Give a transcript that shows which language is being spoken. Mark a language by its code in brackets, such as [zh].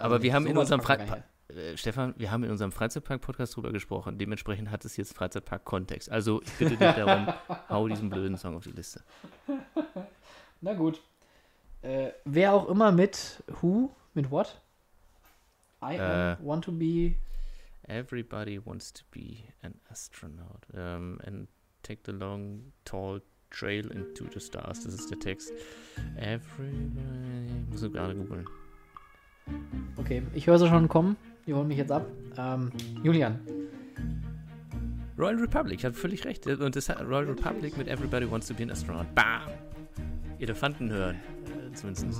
[de] Aber wir haben in unserem Freizeitpark. Stefan, wir haben in unserem Freizeitpark-Podcast drüber gesprochen. Dementsprechend hat es jetzt Freizeitpark-Kontext. Also ich bitte dich darum, hau diesen blöden Song auf die Liste. Na gut. Wer auch immer mit Who, mit What? [en] I want to be... Everybody wants to be an astronaut. And take the long, tall trail into the stars. [de] Das ist der Text. Everybody... Ich muss gerade googeln. Okay, ich höre sie schon kommen. Die holen mich jetzt ab. Julian. Royal Republic, ich habe völlig recht. Und das hat Royal Republic mit Everybody Wants to Be an Astronaut. Bam! Elefanten hören. Zumindest.